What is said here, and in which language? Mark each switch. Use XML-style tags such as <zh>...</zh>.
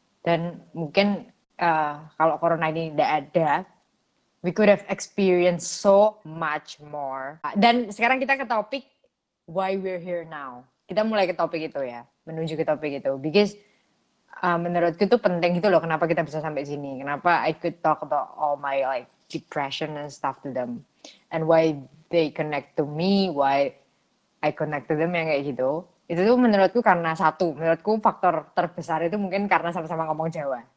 <id>Dan mungkin kalau corona ini enggak ada,</id> <en>we could have experienced so much more.</en> <id>Dan sekarang kita ke topik</id> <en>why we're here now.</en> <id>Kita mulai ke topik itu ya, menuju ke topik itu. Because menurutku itu penting gitu loh, kenapa kita bisa sampai sini. Kenapa</id> <en>I could talk about all my like depression and stuff to them. And why they connect to me, why I connect to them,</en> <id>yang kayak gitu. Itu tuh menurutku karena satu, menurutku faktor terbesar itu mungkin karena sama-sama ngomong Jawa.</id>